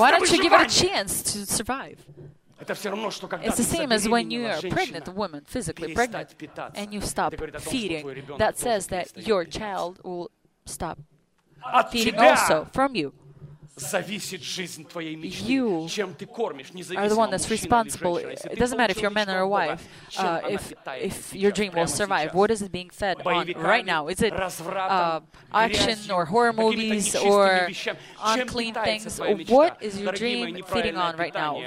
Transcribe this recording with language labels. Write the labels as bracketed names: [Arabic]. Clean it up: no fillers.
[English] Why don't you give it a chance to survive? [Russian] Это все равно, что когда [English] it's the same as when you are pregnant, a woman, physically pregnant, and you stop feeding. That says that your child will stop feeding also from you. [Russian] Зависит жизнь твоей мечты. Чем ты кормишь, независимо от мужчины или женщины. [English] It doesn't matter if you're man or wife. If your dream will survive, what is it being fed on right now? Is it action or horror movies or unclean things? What is your dream feeding on right now?